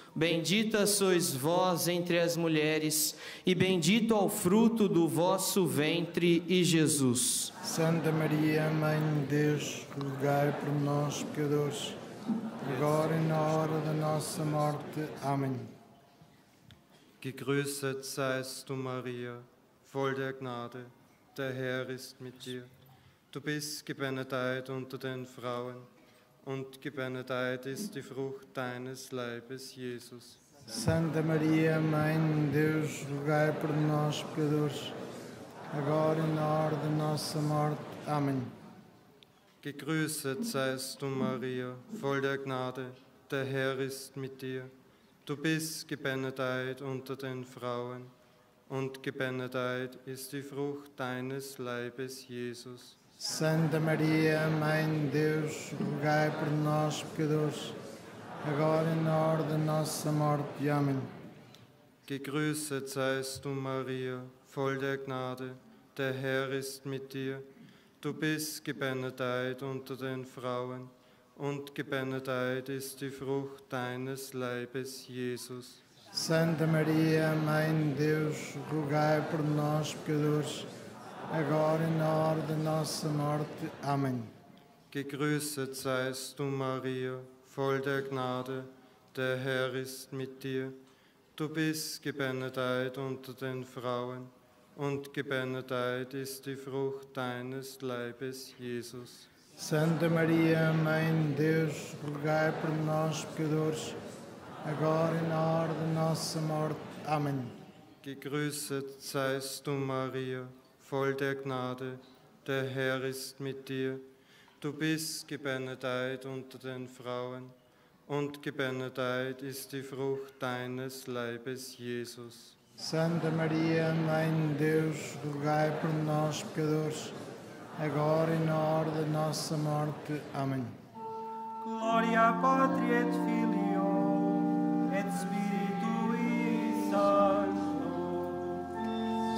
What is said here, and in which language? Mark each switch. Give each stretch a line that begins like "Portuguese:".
Portuguese: Bendita sois vós entre as mulheres, e bendito é o fruto do vosso ventre, Jesus. Santa Maria, Mãe de Deus, rogai por nós, pecadores, agora e na hora da nossa morte. Amém.
German: Gegrüßet seist du, Maria, voll der Gnade, der Herr ist mit dir. Du bist gebenedeit unter den Frauen, und gebenedeit ist die Frucht deines Leibes, Jesus.
Portuguese: Santa Maria, Mãe de Deus, rogai por nós, pecadores, agora e na hora da nossa morte. Amém.
German: Gegrüßet seist du, Maria, voll der Gnade, der Herr ist mit dir. Du bist gebenedeit unter den Frauen, und gebenedeit ist die Frucht deines Leibes, Jesus.
Portuguese: Santa Maria, Mãe de Deus, rogai por nós, pecadores, agora e na hora da nossa morte. Amém.
German: Gegrüßet seist du, Maria, voll der Gnade, der Herr ist mit dir. Du bist gebenedeit unter den Frauen, und gebenedeit ist die Frucht deines Leibes, Jesus.
Portuguese: Santa Maria, Mãe de Deus, rogai por nós, pecadores, agora e na hora da nossa morte. Amém.
German: Gegrüßet seist du, Maria, voll der Gnade, der Herr ist mit dir. Du bist gebenedeit unter den Frauen, und gebenedeit ist die Frucht deines Leibes, Jesus.
Portuguese: Santa Maria, Mãe de Deus, rogai por nós, pecadores, agora e na hora da nossa morte. Amém.
German: Gegrüßet seist du, Maria, voll der Gnade, der Herr ist mit dir. Du bist gebenedeit unter den Frauen, und gebenedeit ist die Frucht deines Leibes, Jesus.
Portuguese: Santa Maria, Mãe de Deus, rogai por nós, pecadores, agora e na hora da nossa morte. Amém. Glória à Pátria e Filho,
Latin: et Spiritu Sancto.